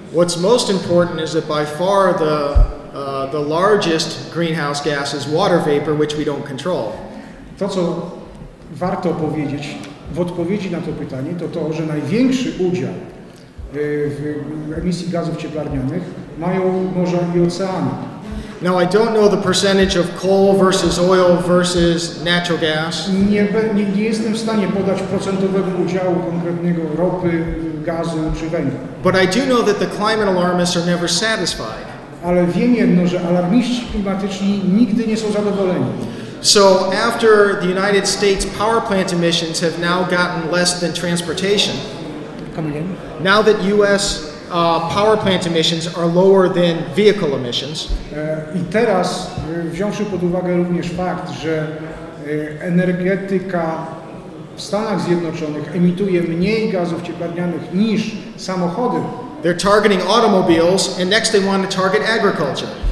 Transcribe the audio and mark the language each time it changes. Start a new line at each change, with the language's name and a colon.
English: What's most important is that by far the largest greenhouse gas is water vapor, which we don't control.
Polish: To, co warto powiedzieć w odpowiedzi na to pytanie, to to, że największy udział w emisji gazów cieplarnianych mają morza i oceany.
English: Now, I don't know the percentage of coal versus oil versus natural gas.
Polish: Nie jestem w stanie podać procentowego udziału konkretnego ropy, gazu czy węgla.
English: But I do know that the climate alarmists are never satisfied.
Polish: Ale wiem jedno, że alarmiści klimatyczni nigdy nie są zadowoleni.
English: So after the United States power plant emissions have now gotten less than transportation. Come again. Now that US power plant emissions are lower than vehicle emissions.
Polish: I teraz, wziąwszy pod uwagę również fakt, że energetyka w Stanach Zjednoczonych emituje mniej gazów cieplarnianych niż samochody.
English: They're targeting automobiles and next they want to target agriculture.